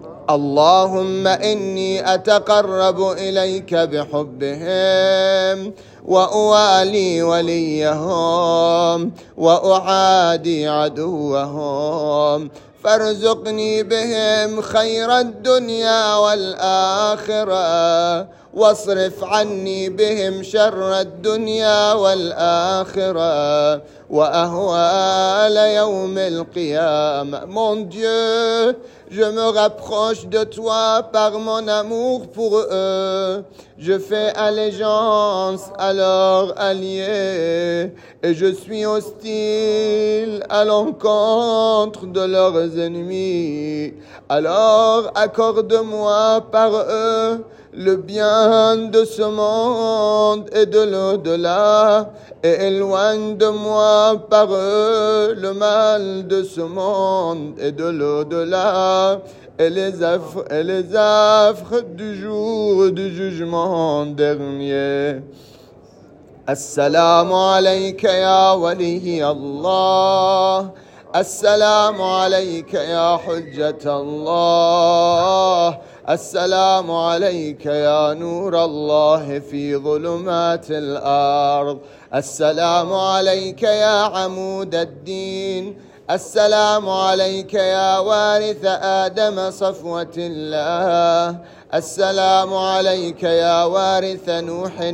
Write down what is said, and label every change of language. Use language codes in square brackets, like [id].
[ar] اللهم إني أتقرب إليك بحبهم وأوالي وليهم وأعادي عدوهم، فارزقني بهم خير الدنيا والآخرة واصرف عني بهم شر الدنيا والآخرة وأهوال يوم القيامة. [fr] Mon Dieu, je me rapproche de toi par mon amour pour eux. Je fais allégeance à leur allié et je suis hostile à l'encontre de leurs ennemis. Alors accorde-moi par eux le bien de ce monde et de l'au-delà, et éloigne de moi par eux le mal de ce monde et de l'au-delà, et les affres du jour du jugement dernier. [ar] السلام عليك يا ولي الله، السلام عليك يا حجة الله، السلام عليك يا نور الله في ظلمات الأرض، السلام عليك يا عمود الدين، السلام عليك يا وارث آدم صفوة الله، السلام عليك يا وارث نوح